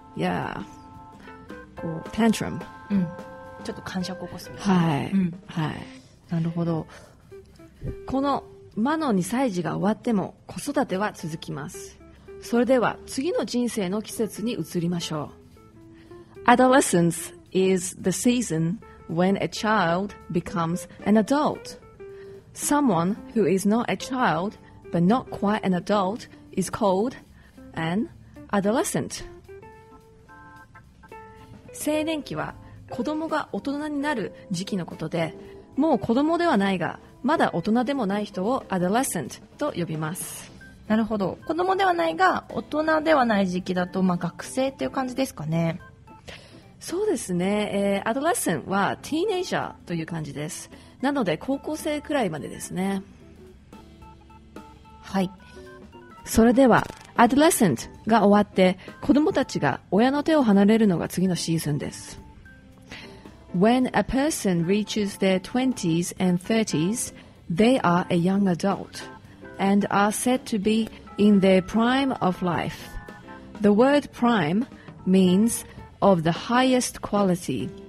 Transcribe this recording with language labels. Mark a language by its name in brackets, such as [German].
[English] Yeah, tantrum、 [Japanese] うん、ちょっと癇癪を起こすみたいな、はい、うん、はい、なるほど。この魔の2歳児が終わっても子育ては続きます。それでは次の人生の季節に移りましょう。 [English] Adolescence is the season when a child becomes an adult. Someone who is not a child but not quite an adult is called an adolescent. [Japanese] 青年期は子供が大人になる時期のことで、もう子供ではないがまだ大人でもない人をアドレッセントと呼びます。なるほど。子供ではないが大人ではない時期だと、まあ、学生っていう感じですかね。そうですね、アドレッセンはティーネイジャーという感じです。なので高校生くらいまでですね。はい。それではアドレッセントが終わって子供たちが親の手を離れるのが次のシーズンです。 [English] When a person reaches their 20s and 30s they are a young adult and are said to be in their prime of life. The word prime meansof the highest quality.